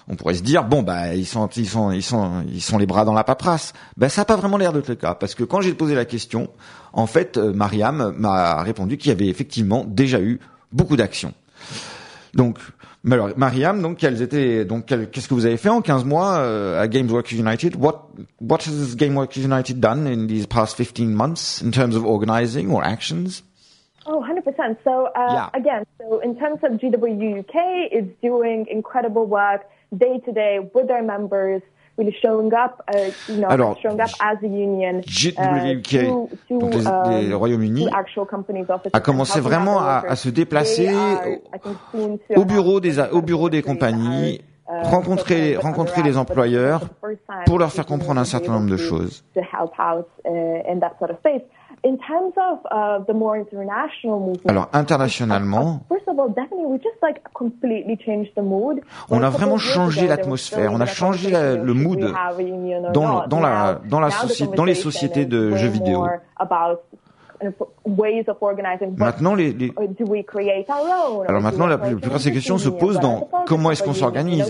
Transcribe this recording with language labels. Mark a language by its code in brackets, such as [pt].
[fr] On pourrait se dire bon bah ils sont les bras dans la paperasse. Ben ça a pas vraiment l'air d'être le cas parce que quand j'ai posé la question, en fait Mariam m'a répondu qu'il y avait effectivement déjà eu beaucoup d'actions. Donc alors Mariam, qu'est-ce que vous avez fait en 15 mois à Games Workers United? [en] What has Games Workers United done in these past 15 months in terms of organizing or actions? Oh, 100%. So, again, so in terms of GWU UK, it's doing incredible work day to day with our members, really showing up, showing up as a union. [fr] GWU UK, les Royaume-Uni, a commencé vraiment à se déplacer au bureau des compagnies, rencontrer les employeurs pour leur faire comprendre un certain nombre de choses. [en] To help out in that sort of space. In terms of the more international movement. [fr] Alors internationalement. [en] First of all, definitely we just like completely changed the mood. [fr] On a vraiment changé l'atmosphère, on a changé le mood dans les sociétés de jeux vidéo. [en] and ways of organizing. Do we create our own? [fr] Alors maintenant, la plus grande question se pose dans comment est-ce qu'on s'organise?